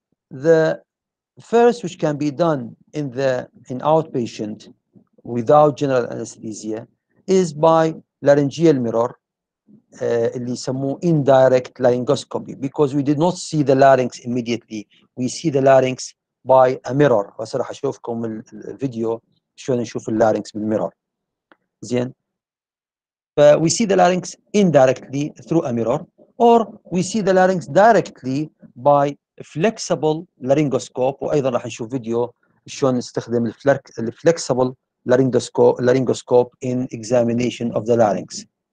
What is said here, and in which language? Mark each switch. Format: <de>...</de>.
<en>The first, which can be done in the in outpatient without general anesthesia, is by laryngeal mirror,</en> <ar>اللي يسموه</ar> <en>indirect laryngoscopy, because we did not see the larynx immediately. We see the larynx by a mirror.</en> <ar>وسرح أشوفكم الفيديو شلون نشوف اللارينكس بالميرور. زين.</ar> <en>We see the larynx indirectly through a mirror. Or we see the larynx directly by flexible laryngoscope.</en> <ar>وأيضا راح نشوف فيديو شلون نستخدم</ar> <en>flexible laryngoscope in examination of the larynx.</en>